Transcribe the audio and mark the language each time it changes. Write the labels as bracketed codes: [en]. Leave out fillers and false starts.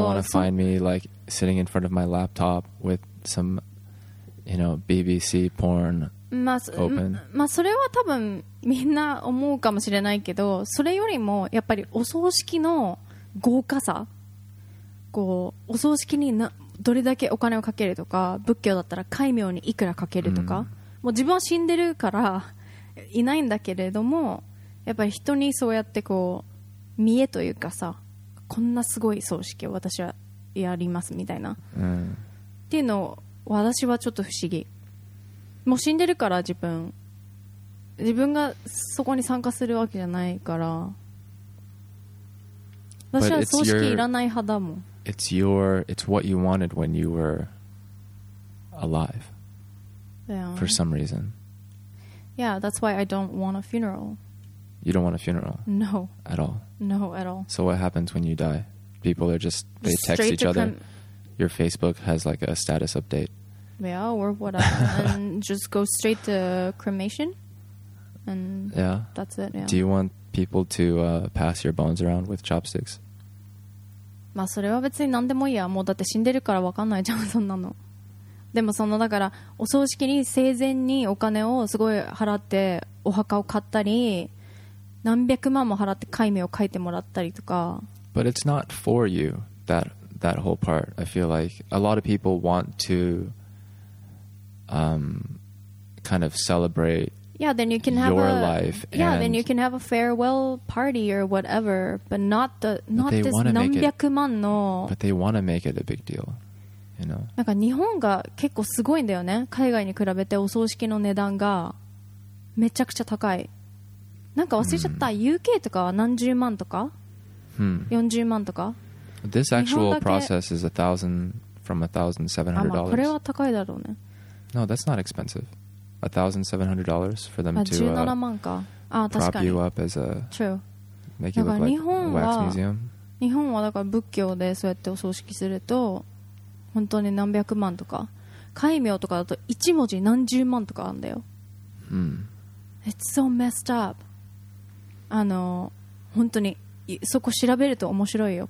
[en] They don't want to find me like sitting in front of my laptop with some, you know, BBC porn. [ja] まあ、 [en] open. [ja] まあ、それは多分みんな思うかもしれないけど、それよりもやっぱりお葬式の豪華さ。こうお葬式にどれだけお金をかけるとか、仏教だったら戒名にいくらかけるとか、もう自分は死んでるからいないんだけれども、やっぱり人にそうやってこう見えというかさ、こんなすごい葬式を私はやりますみたいな、っていうのを私はちょっと不思議。もう死んでるから自分がそこに参加するわけじゃないから、私は葬式いらない派だもん。 [en] It's your, it's what you wanted when you were alive. Yeah. For some reason. Yeah, that's why I don't want a funeral. You don't want a funeral? No. At all? No, at all. So what happens when you die? People are just, they just text each other. Your Facebook has like a status update. Yeah, or whatever. And just go straight to cremation. And yeah. That's it, yeah. Do you want people to pass your bones around with chopsticks? [ja] まあそれは別に何でもいいや、もうだって死んでるから分かんないじゃんそんなの。でもそのだからお葬式に生前にお金をすごい払ってお墓を買ったり、何百万も払って戒名を書いてもらったりとか。 [en] But it's not for you that whole part. I feel like a lot of people want to kind of celebrate. Yeah, then you can have your a, life. Yeah, then you can have a farewell party or whatever, but not the not but this [ja] 何百万の。 [en] But they want to make it a big deal, you know. [ja] なんか日本が結構すごいんだよね。海外に比べてお葬式の値段がめちゃくちゃ高い。なんか忘れちゃった。 UK とかは何十万とか、40万とか。 [en] This actual process is $1,700. [ja] これは高いだろうね。 [en] No, that's not expensive. $1,700 for them to prop you up as a make you look like a wax museum. [ja] 日本はだから仏教でそうやってお葬式すると本当に何百万とか、戒名とかだと一文字何十万とかあるんだよ。 [en] It's so messed up. [ja] あの本当にそこ調べると面白いよ。